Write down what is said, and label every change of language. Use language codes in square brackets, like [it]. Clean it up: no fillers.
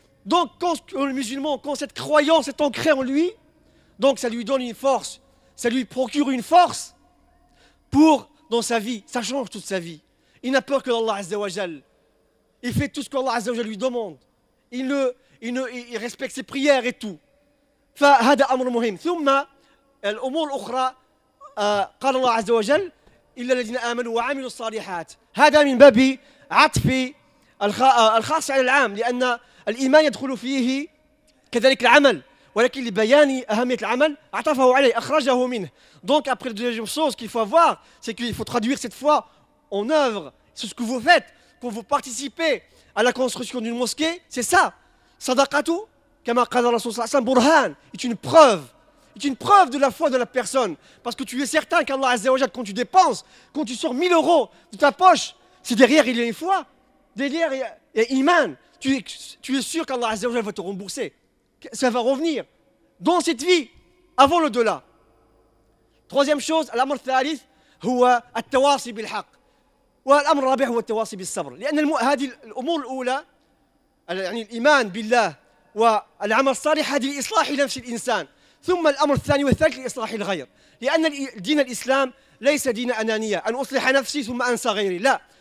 [fr] Donc quand le musulman, quand cette croyance est ancrée en lui, donc ça lui donne une force, ça lui procure une force pour dans sa vie. Ça change toute sa vie. Il n'a peur que d'Allah Azza wa Jal. Il fait tout ce qu'Allah Azza wa Jal lui demande. Il respecte ses prières et tout. [ar] فهذا أمر مهم. ثم الأمور الأخرى، قال الله عز وجل: إلا الذين آمنوا وعملوا الصالحات. هذا من باب عطف الخاص على العام، لأن الإيمان يدخل فيه كذلك العمل، ولكن لبيان أهمية العمل عطفه عليه، أخرجه منه. [fr] Donc après la deuxième chose qu'il faut avoir, c'est qu'il faut traduire cette foi en œuvre. C'est ce que vous faites quand vous participez à la construction d'une mosquée, c'est ça. [ar] Sadaqatu كما قال الرسول صلى الله عليه وسلم برهان، [fr] est une preuve. Est une preuve de la foi de la personne. Parce que tu es certain qu'Allah Azza wa Jal, quand tu dépenses, quand tu sors 1000 euros de ta poche, c'est derrière il y a une foi. Derrière il y a iman. Tu es sûr qu'Allah Azza wa Jal va te rembourser. Ça va revenir. Dans cette vie. avant l'au-delà. Troisième chose, l'amour thalith, [ar] هو التواصي بالحق. والأمر الرابع هو التواصي بالصبر. لأن هذه الأمور الأولى يعني الإيمان بالله والعمل الصالح هذه لإصلاح نفس الإنسان. ثم الأمر الثاني والثالث لإصلاح الغير. لأن دين الإسلام ليس دين أنانية أن أصلح نفسي ثم أنسى غيري. لا.